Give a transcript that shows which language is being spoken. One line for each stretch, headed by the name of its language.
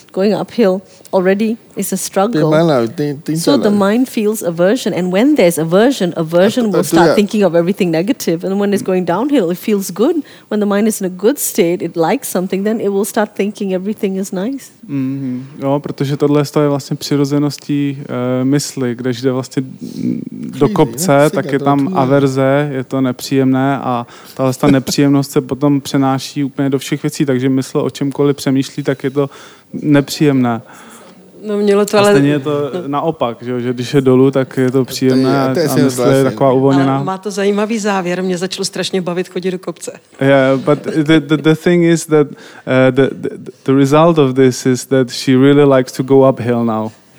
English: Going uphill already is a struggle. So the mind feels aversion. And when there's aversion, aversion will start thinking of everything negative. And when it's going downhill, it feels good. When the mind is in a good state, it likes something, then it will start thinking everything is nice.
Czech: Jo, protože tohle je vlastně přirozeností mysli, když jde vlastně do kopce, tak je tam averze, je to nepříjemné, a tahle ta nepříjemnost se potom přenáší úplně do všech věcí, takže mysl o čemkoliv přemýšlí, tak je to nepříjemné. No, mělo to, ale... A stejně je to naopak, že když je dolů, tak je to příjemné a mysl je taková uvolněná. Má to zajímavý závěr, mě začalo strašně bavit chodit do kopce.
English: Yeah, but the thing is that the result of this is that she really likes to go uphill now.